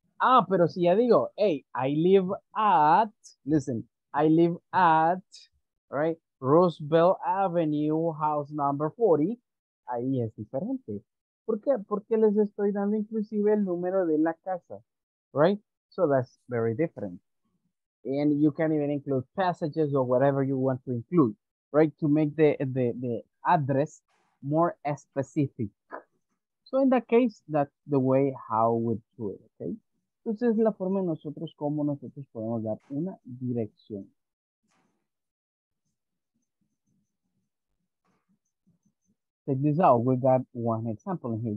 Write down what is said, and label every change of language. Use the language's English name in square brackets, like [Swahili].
[Spanish] Ah, pero si ya digo, [English] hey, I live at, listen, I live at, right? [Spanish] Roosevelt Avenue, [English] house number 40, [Spanish] ahí es diferente. ¿Por qué? Porque les estoy dando inclusive el número de la casa, right? [English] So that's very different. And you can even include passages or whatever you want to include, right? To make the address more specific. So in that case, that's the way how we do it, okay? [Spanish] Entonces es la forma de nosotros cómo nosotros podemos dar una dirección. [English] Check this out, we got one example in here.